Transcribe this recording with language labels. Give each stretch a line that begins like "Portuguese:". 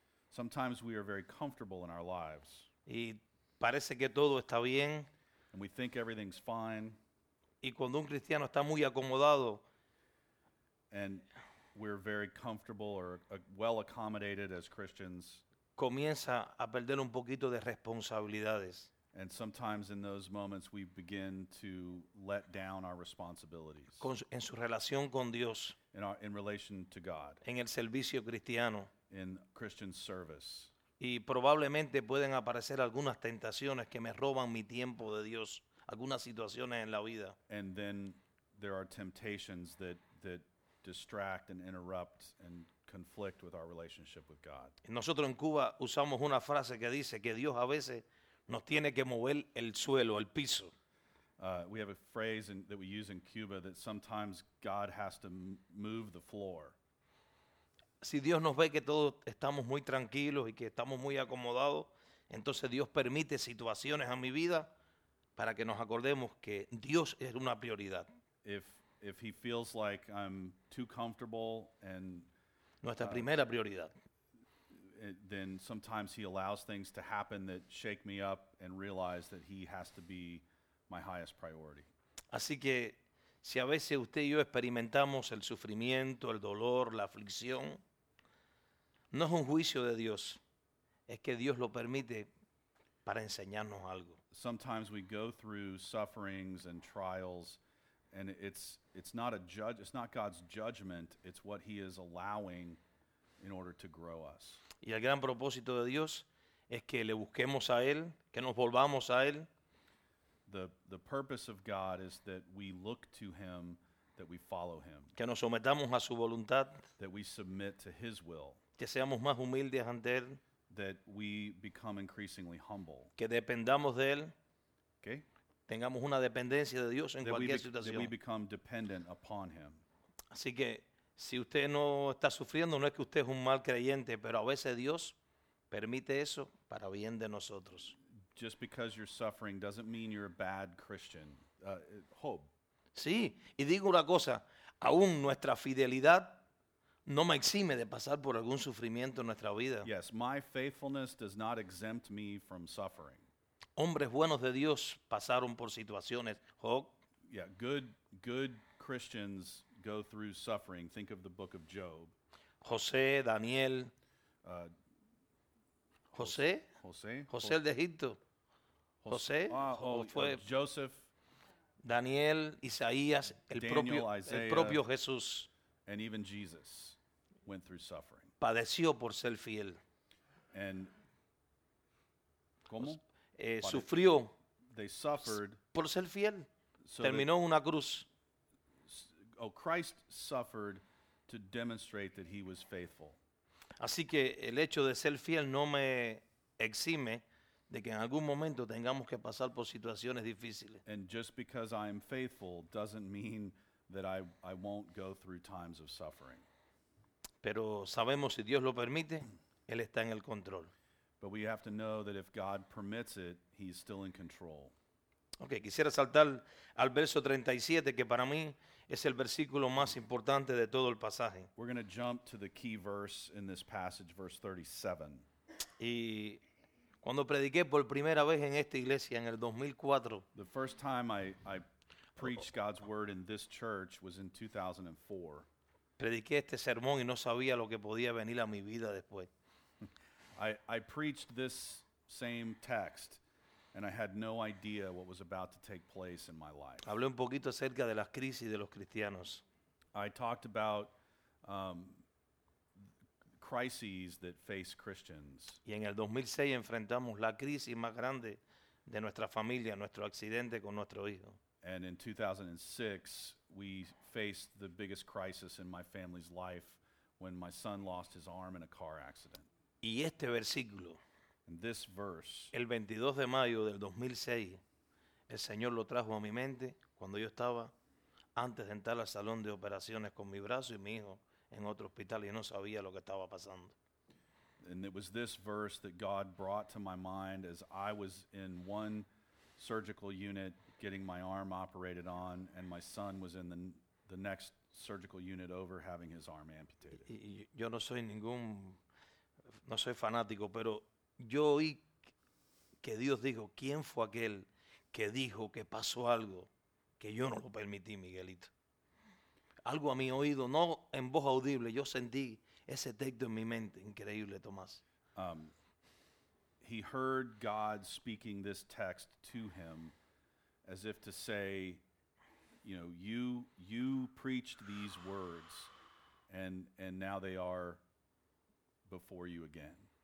English: Sometimes we are very comfortable in our lives.
Spanish: Y parece que todo está bien.
English: And we think everything's fine.
Spanish: Y cuando un cristiano está muy acomodado,
English: and we're very comfortable or well accommodated as Christians,
Spanish: comienza a perder un poquito de responsabilidades.
English: And sometimes in those moments we begin to let down our responsibilities.
Spanish: En su relación con Dios.
English: In relation to God.
Spanish: En el servicio cristiano.
English: In Christian service.
Spanish: Y probablemente pueden aparecer algunas tentaciones que me roban mi tiempo de Dios. Algunas situaciones en la vida.
English: And then there are temptations that distract and interrupt and conflict with our relationship with God.
Spanish: Nosotros en Cuba usamos una frase que dice que Dios a veces nos tiene que mover el suelo, el piso.
English: We have a phrase that we use in Cuba that sometimes God has to move the floor.
Spanish: Si Dios nos ve que todos estamos muy tranquilos y que estamos muy acomodados, entonces Dios permite situaciones a mi vida para que nos acordemos que Dios es una prioridad.
English: If he feels like I'm too comfortable and
Spanish: nuestra primera prioridad,
English: then sometimes he allows things to happen that shake me up and realize that he has to be my highest priority.
Spanish: Así que si a veces usted y yo experimentamos el sufrimiento, el dolor, la aflicción, no es un juicio de Dios, es que Dios lo permite para enseñarnos algo.
English: Sometimes we go through sufferings and trials, and it's not God's judgment, it's what he is allowing in order to grow us.
Spanish: Y el gran propósito de Dios es que le busquemos a él, que nos volvamos a él.
English: The purpose of God is that we look to him, that we follow him.
Spanish: Que nos sometamos a su voluntad,
English: that we submit to his will.
Spanish: Que seamos más humildes ante él,
English: that we become increasingly humble.
Spanish: Que dependamos de él.
English: Okay.
Spanish: Tengamos una dependencia de Dios en cualquier situación.
English: That we become dependent upon him.
Spanish: Así que si usted no está sufriendo, no es que usted es un mal creyente, pero a veces Dios permite eso para bien de nosotros.
English: Just because you're suffering doesn't mean you're a bad Christian. Hope.
Spanish: Sí, y digo una cosa, aún nuestra fidelidad no me exime de pasar por algún sufrimiento en nuestra vida.
English: Yes, my faithfulness does not exempt me from suffering.
Spanish: Hombres buenos de Dios pasaron por situaciones.
English: Hope. Yeah, good Christians go through suffering. Think of the book of Job.
Spanish: José, Daniel. José. José. José el de Egipto. José.
English: Joseph.
Spanish: Daniel, Isaías, el propio Jesús.
English: And even Jesus went through suffering.
Spanish: Padeció por ser fiel.
English: And
Spanish: ¿cómo? Sufrió.
English: They suffered.
Spanish: Por ser fiel.
English: So
Spanish: terminó en una cruz.
English: Oh, Christ suffered to demonstrate that he was faithful.
Spanish: Así que el hecho de ser fiel no me exime de que en algún momento tengamos que pasar por situaciones difíciles.
English: And just because I am faithful doesn't mean that I won't go through times of suffering.
Spanish: Pero sabemos si Dios lo permite, él está en el control.
English: But we have to know that if God permits it, he's still in control.
Spanish: Okay, quisiera saltar al verso 37 que para mí es el versículo más importante de todo el pasaje.
English: We're going to jump to the key verse in this passage, verse 37.
Spanish: Y cuando prediqué por primera vez en esta iglesia en el 2004,
English: the first time I preached God's word in this church was in 2004.
Spanish: Prediqué este sermón y no sabía lo que podía venir a mi vida después.
English: I preached this same text and I had no idea what was about to take place in my life.
Spanish: Hablé un poquito acerca de las crisis de los cristianos.
English: I talked about crises that face Christians.
Spanish: Y en el 2006 enfrentamos la crisis más grande de nuestra familia, nuestro accidente con nuestro hijo.
English: And in 2006 we faced the biggest crisis in my family's life when my son lost his arm in a car accident.
Spanish: Y este versículo,
English: and this verse,
Spanish: el 22 de mayo del 2006, el Señor lo trajo a mi mente cuando yo estaba antes de entrar al salón de operaciones con mi brazo y mi hijo en otro hospital y no sabía lo que estaba pasando.
English: And it was this verse that God brought to my mind as I was in one surgical unit getting my arm operated on and my son was in the next surgical unit over having his arm amputated.
Spanish: Y yo no soy ningún, no soy fanático, pero yo oí que Dios dijo, ¿quién fue aquel que dijo que pasó algo que yo no lo permití, Miguelito? Algo a mi oído, no en voz audible, yo sentí ese texto en mi mente, increíble, Tomás.
English: He heard God speaking this text to him as if to say, you know, you preached these words and now they are before you again.